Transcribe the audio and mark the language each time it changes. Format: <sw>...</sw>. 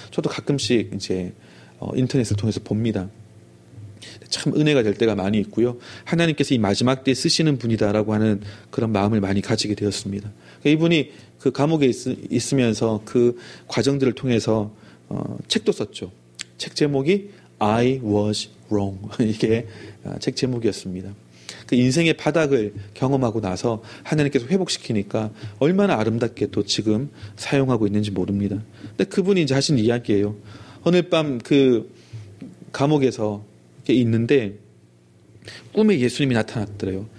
<ko>저도 가끔씩 이제 인터넷을 통해서 봅니다. 참 은혜가 될 때가 많이 있고요. 하나님께서 이 마지막 때 쓰시는 분이다라고 하는 그런 마음을 많이 가지게 되었습니다. 이분이 그 감옥에 있으면서 그 과정들을 통해서 책도 썼죠. 책 제목이</ko> <en>I was wrong.</en> <ko>이게 책 제목이었습니다. 그 인생의 바닥을 경험하고 나서 하나님께서 회복시키니까 얼마나 아름답게 또 지금 사용하고 있는지 모릅니다. 근데 그분이 이제 하신 이야기예요. 오늘 밤 그 감옥에서 이렇게 있는데 꿈에 예수님이 나타났더래요.</ko>